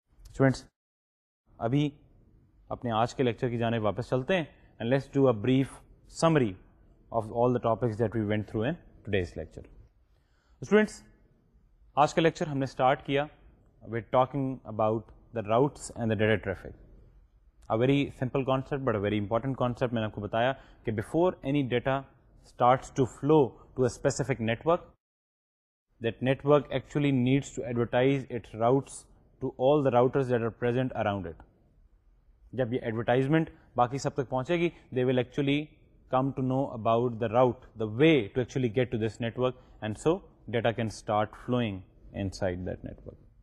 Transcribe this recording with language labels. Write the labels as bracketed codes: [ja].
[ur] Students, abhi اپنے آج کے لیکچر کی جانب واپس چلتے ہیں. [en] And let's do a brief summary of all the topics that we went through in today's lecture. [ur] Students آج کا لیکچر ہم نے اسٹارٹ کیا [en] With talking about the routes and the data traffic. A very simple concept but a very important concept. [ur] میں نے آپ کو بتایا کہ [en] Before any data starts to flow to a specific network, that network actually needs to advertise its routes to all the routers that are present around it. [ur] جب یہ advertisement باقی سب تک پہنچے گی, [en] They will actually come to know about the route, the way to actually get to this network, and so data can start flowing inside that network.